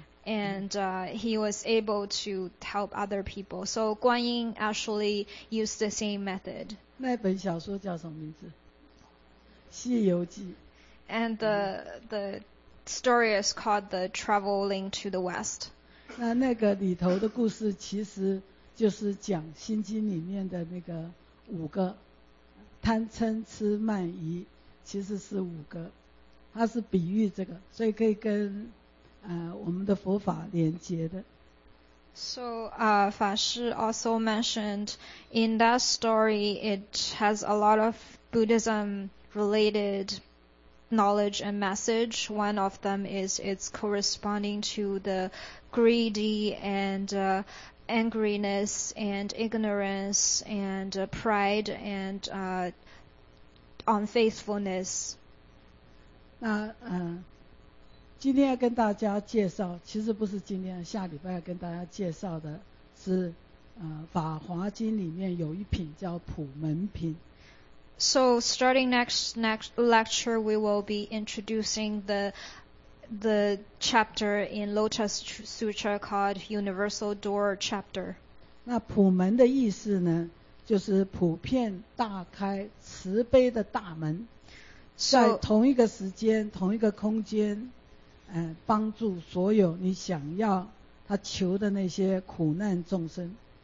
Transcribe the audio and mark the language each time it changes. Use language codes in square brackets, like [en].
[en] And he was able to help other people. So Guanyin actually used the same method. [zh] 那本小说叫什么名字？《西游记》。 [en] And the story is called The Traveling to the West. [zh] 那那个里头的故事其实就是讲《心经》里面的那个五个贪嗔痴慢疑，其实是五个，它是比喻这个，所以可以跟。我们的佛法连接的。 [en] So, Fa Shi also mentioned in that story, it has a lot of Buddhism related knowledge and message. One of them is it's corresponding to the greedy and angriness and ignorance and pride and unfaithfulness. [zh] 今天要跟大家介绍，其实不是今天，下礼拜要跟大家介绍的是《法华经》里面有一品叫普门品。 [en] So starting next lecture, we will be introducing the chapter in Lotus Sutra called Universal Door Chapter. [zh] 那普门的意思呢，就是普遍大开慈悲的大门，在同一个时间、同一个空间。帮助所有你想要他求的那些苦难众生。